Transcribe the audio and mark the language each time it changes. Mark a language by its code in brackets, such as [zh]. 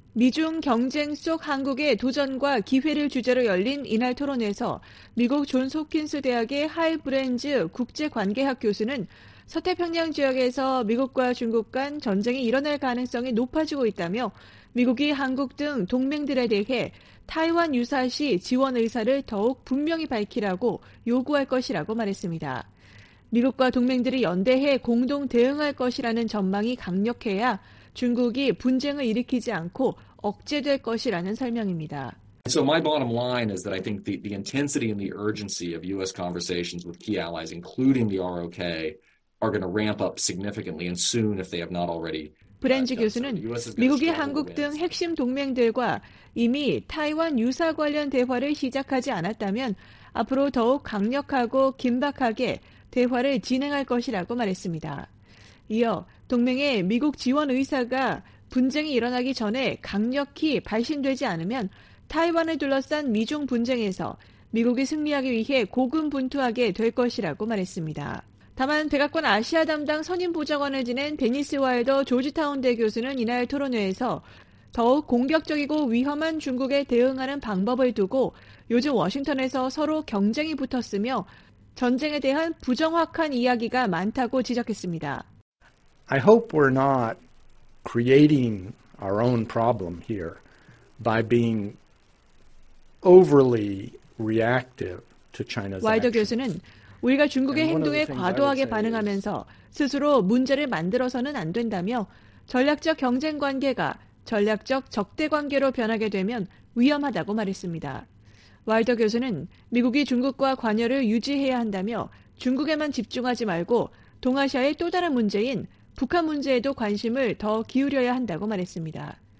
[ko] 미중 경쟁 속 한국의 도전과 기회를 주제로 열린 이날 토론에서 미국 존 홉킨스 대학의 하이브렌즈 국제관계학 교수는 서태평양 지역에서 미국과 중국 간 전쟁이 일어날 가능성이 높아지고 있다며 미국이 한국 등 동맹들에 대해 타이완 유사시 지원 의사를 더욱 분명히 밝히라고 요구할 것이라고 말했습니다. 미국과 동맹들이 연대해 공동 대응할 것이라는 전망이 강력해야 중국이 분쟁을 일으키지 않고 억제될 것이라는 설명입니다. [en] So my bottom line is that I think the intensity and the urgency of US conversations with key allies including the ROK are going to ramp up significantly and soon if they have not already [ko] 브렌즈 교수는 미국이 한국 등 핵심 동맹들과 이미 타이완 유사 관련 대화를 시작하지 않았다면 앞으로 더욱 강력하고 긴박하게 대화를 진행할 것이라고 말했습니다. 이어 동맹의 미국 지원 의사가 분쟁이 일어나기 전에 강력히 발신되지 않으면 타이완을 둘러싼 미중 분쟁에서 미국이 승리하기 위해 고군분투하게 될 것이라고 말했습니다. 다만 백악관 아시아 담당 선임 보좌관을 지낸 데니스 와일더 조지타운대 교수는 이날 토론회에서 더욱 공격적이고 위험한 중국에 대응하는 방법을 두고 요즘 워싱턴에서 서로 경쟁이 붙었으며 전쟁에 대한 부정확한 이야기가 많다고 지적했습니다. [en] I hope we're not creating our own problem here by being overly reactive to China's actions. [ko] 와일더 교수는 우리가 중국의 행동에 과도하게 반응하면서 스스로 문제를 만들어서는 안 된다며 전략적 경쟁 관계가 전략적 적대 관계로 변하게 되면 위험하다고 말했습니다. 와일더 교수는 미국이 중국과 관여를 유지해야 한다며 중국에만 집중하지 말고 동아시아의 또 다른 문제인 북한 문제에도 관심을 더 기울여야 한다고 말했습니다.